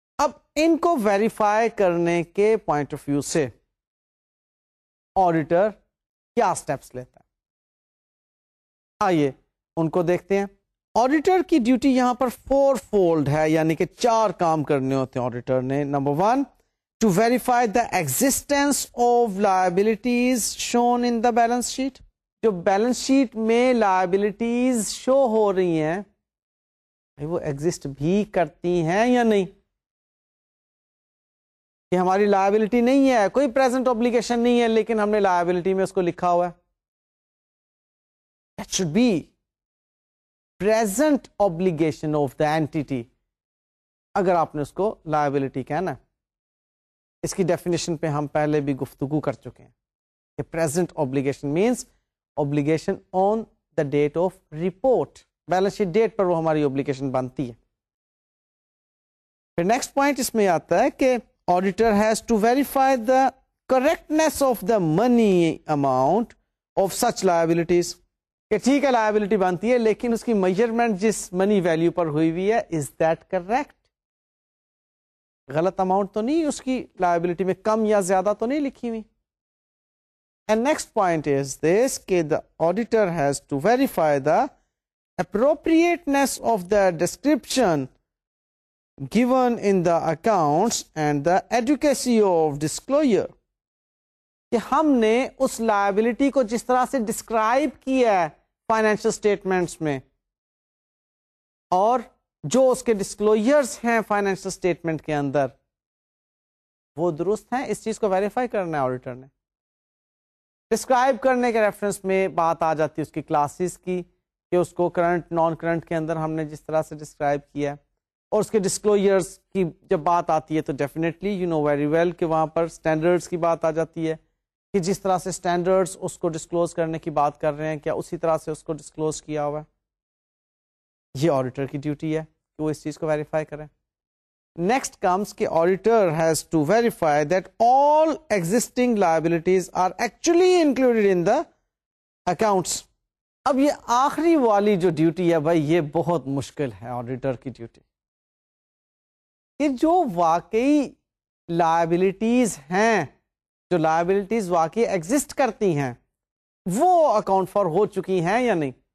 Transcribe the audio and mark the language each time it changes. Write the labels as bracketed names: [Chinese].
[Urdu] اب ان کو ویریفائی کرنے کے پوائنٹ آف ویو سے آڈیٹر کیا اسٹیپس لیتا ہے, آئیے ان کو دیکھتے ہیں. آڈیٹر کی ڈیوٹی یہاں پر فور فولڈ ہے, یعنی کہ چار کام کرنے ہوتے ہیں آڈیٹر نے. [English] Number one, two verify the existence of liabilities shown in the balance sheet. [Urdu] جو بیلنس شیٹ میں لائبلٹیز شو ہو رہی ہیں وہ ایگزسٹ بھی کرتی ہیں یا نہیں, یہ ہماری لائبلٹی نہیں ہے, کوئی پریزنٹ ابلیگیشن نہیں ہے لیکن ہم نے لائبلٹی میں اس کو لکھا ہوا ہے. [English] that should be present obligation of the entity [Urdu] اگر آپ نے اس کو لائبلٹی کہنا. اس کی ڈیفینیشن پہ ہم پہلے بھی گفتگو کر چکے ہیں کہ present obligation means [English] obligation on the date of report, [Urdu] balance sheet date پر وہ ہماری obligation بنتی ہے. پھر [English] next point [Urdu] اس میں آتا ہے کہ [English] auditor has to verify the correctness of the money amount of such liabilities. [Urdu] کہ ٹھیک ہے liability بنتی ہے لیکن اس کی measurement جس money value پر ہوئی ہوئی ہے [English] is that correct, [Urdu] غلط amount تو نہیں اس کی liability میں, کم یا زیادہ تو نہیں لکھی ہوئی. [English] And next point is this, کہ the auditor has to verify the appropriateness of the description given in the accounts and the adequacy of disclosure. [Urdu] کہ ہم نے اس liability کو جس طرح سے ڈسکرائب کیا ہے فائنینشیل اسٹیٹمنٹس میں اور جو اس کے ڈسکلوئرس ہیں فائنینشیل اسٹیٹمنٹ کے اندر وہ درست ہیں, اس چیز کو ویریفائی کرنا ہے آڈیٹر نے. ڈسکرائب کرنے کے ریفرنس میں بات آ جاتی ہے اس کی کلاسز کی کہ اس کو کرنٹ نان کرنٹ کے اندر ہم نے جس طرح سے ڈسکرائب کیا ہے, اور اس کے ڈسکلوئرز کی جب بات آتی ہے تو definitely [English] you know very well [Urdu] کہ وہاں پر اسٹینڈرڈس کی بات آ جاتی ہے کہ جس طرح سے اسٹینڈرڈس اس کو ڈسکلوز کرنے کی بات کر رہے ہیں کیا اسی طرح سے اس کو ڈسکلوز کیا ہوا ہے. یہ آڈیٹر کی ڈیوٹی ہے کہ وہ اس چیز کو ویریفائی کریں. [English] Next comes کہ auditor has to verify that all existing liabilities are actually included in the accounts. [Urdu] اب یہ آخری والی جو ڈیوٹی ہے بھائی, یہ بہت مشکل ہے آڈیٹر کی ڈیوٹی, کہ جو واقعی لائبلٹیز ہیں, جو لائبلٹیز واقعی ایگزسٹ کرتی ہیں وہ اکاؤنٹ فار ہو چکی ہیں یا نہیں.